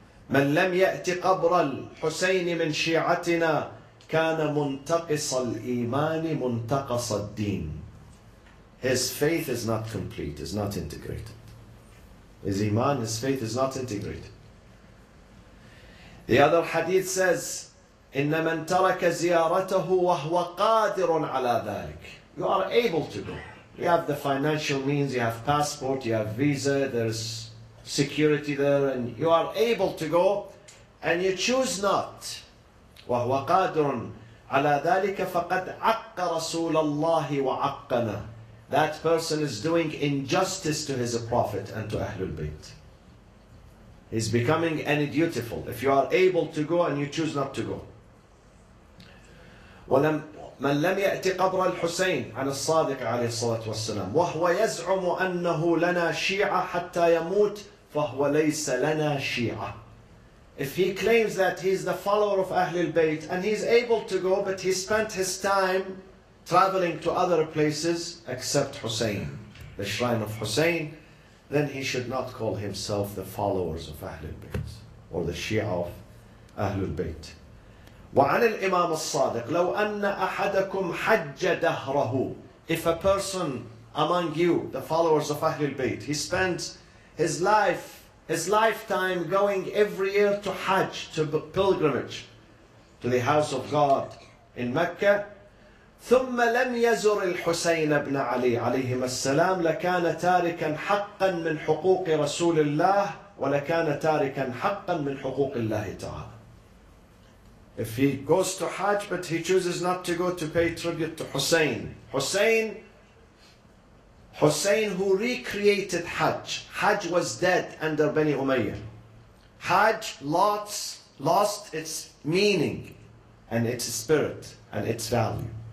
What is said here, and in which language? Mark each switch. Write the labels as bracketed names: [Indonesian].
[Arabic] مَنْ لَمْ يَأْتِ قَبْرَ الْحُسَيْنِ مِنْ شِيعَتِنَا كَانَ مُنْتَقِصَ الْإِيمَانِ مُنْتَقَصَ الدِّينِ. [English] His faith is not complete, is not integrated. His iman, his faith is not integrated. The other hadith says, [Arabic] إِنَّ مَنْ تَرَكَ زِيَارَتَهُ وَهُوَ قَادِرٌ عَلَى ذَلِكَ. [English] You are able to go. You have the financial means, you have passport, you have visa, there's security there, and you are able to go, and you choose not. [Arabic] وَهُوَ قَادِرٌ عَلَى ذَلِكَ فَقَدْ عَقَّ رَسُولَ اللَّهِ وَعَقَّنَا. [English] That person is doing injustice to his Prophet and to Ahlul Bayt. He's becoming undutiful. If you are able to go and you choose not to go. [Arabic] وَمَنْ لَمْ يَأْتِ قَبْرَ الْحُسَيْنِ عَنِ الصَّادِقِ عَلَيْهِ الصَّلَاةُ وَالسَّلَامُ وَهُوَ يَزْعُمُ أَنَّهُ لَنَا شِيعَةٌ حَتَّى يَمُوتَ فَهُوَ لَيْسَ لَنَا شِيعَةٌ. [English] If he claims that he's the follower of Ahlul Bayt and he's able to go, but he spent his time traveling to other places except Hussein, the shrine of Hussein, then he should not call himself the followers of Ahlul Bayt or the Shia of Ahlul Bayt. [Arabic] وعن الإمام الصادق لو أن أحدكم حج دهره. [English] If a person among you, the followers of Ahlul Bayt, he spends his life, his lifetime going every year to Hajj, to the pilgrimage, to the house of God in Mecca. [Arabic] ثم لم يزر الحسين بن علي عليهما السلام لكان تاركا حقا من حقوق رسول الله ولكان تاركا حقا من حقوق الله تعالى. [English] If he goes to Hajj but he chooses not to go to pay tribute to Hussein. Hussein who recreated Hajj. Hajj was dead under Bani Umayyah. Hajj lost its meaning and its spirit and its value.